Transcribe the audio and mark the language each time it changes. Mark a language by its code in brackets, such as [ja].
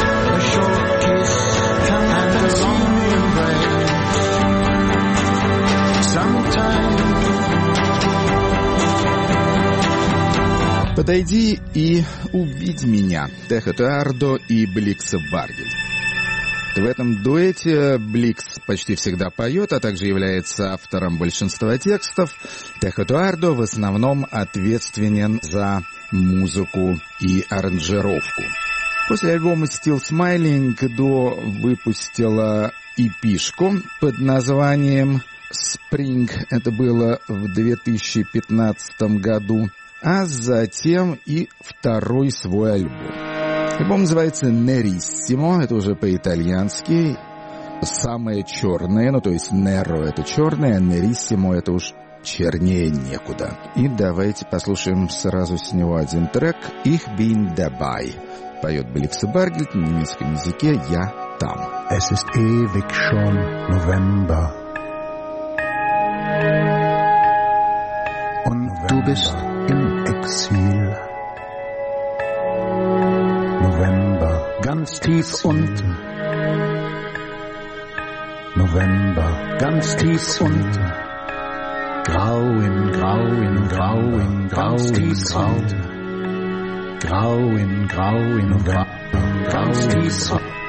[en] A short kiss. Come up and see me. Sometimes. [ru] «Подойди и увидь меня» Техету Ардо и Бликса Варгель. В этом дуэте Бликс почти всегда поет, а также является автором большинства текстов. Техету Ардо в основном ответственен за музыку и аранжировку. После альбома «Still Smiling» Дуо выпустила EP-шку под названием «Spring». Это было в 2015 году. А затем и второй свой альбом. Альбом называется «Nerissimo», это уже по-итальянски. «Самое черное», ну то есть «Nero» — это черное, а «Nerissimo» — это уж чернее некуда. И давайте послушаем сразу с него один трек. [de] «Ich bin dabei». [ru] Поет Бликс Варгель на немецком языке «Я там». [de] Es ist ewig schon November. Und du bist im Exil. November, ganz tief unten. November, ganz tief unten. Grau in Grau in Grau in Grau in Grau. Grau in Grau in Grau in Grau in Grau.